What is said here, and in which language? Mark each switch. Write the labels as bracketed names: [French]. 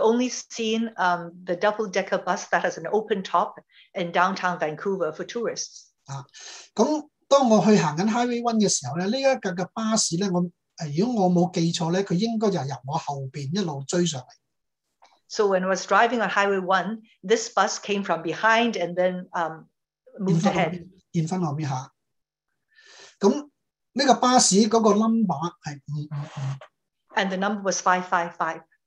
[English] only seen the double-decker bus that has an open top in downtown Vancouver for tourists. [Chinese] 當我去行Highway 1的時候，這輛巴士，如果我沒有記錯，它應該就是由我後面一路追上來。 [English] So when I was driving on Highway 1, this bus came from behind and then moved ahead. And the number was 555.